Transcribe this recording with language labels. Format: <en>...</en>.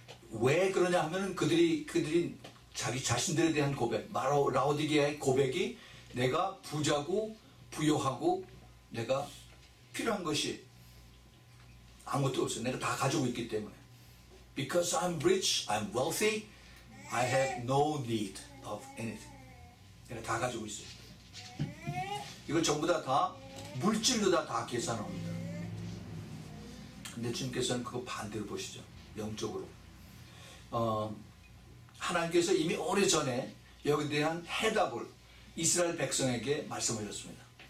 <ko>왜 그러냐 하면은 그들이 자기 자신들에 대한 고백, 라오디게아의 고백이 내가 부자고 부요하고 내가 필요한 것이 아무것도 없어요. 내가 다 가지고 있기 때문에.</ko> <en>Because I'm rich, I'm wealthy, I have no need of anything.</en> <ko>내가 다 가지고 있어요. 이거 전부 다 물질로 다 계산합니다. 근데 주님께서는 그거 반대로 보시죠. 영적으로. 하나님께서 이미 오래전에 여기에 대한 해답을 이스라엘 백성에게 말씀하셨습니다.</ko>